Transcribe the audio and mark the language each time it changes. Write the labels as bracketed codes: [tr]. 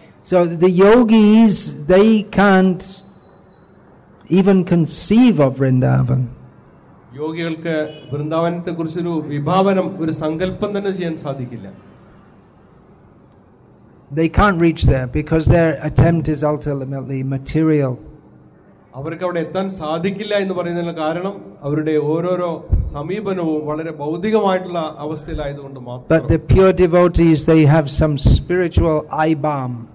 [en] So the yogis, they can't even conceive of Vrindavan. [ml] യോഗികൾക്ക് വൃന്ദാവനത്തെ കുറിച്ചൊരു വിഭാവനം ഒരു സങ്കല്പം തന്നെ ചെയ്യാൻ സാധിക്കില്ല. [en] They can't reach there because their attempt is ultimately material. [ml] അവർക്ക് അവിടെ എത്താൻ സാധിക്കില്ല എന്ന് പറയുന്നതിനുള്ള കാരണം അവരുടെ ഓരോരോ സമീപനവും വളരെ ഭൗതികമായിട്ടുള്ള അവസ്ഥയിലായതുകൊണ്ട് മാത്രം. [en] But the pure devotees, they have some spiritual eye balm.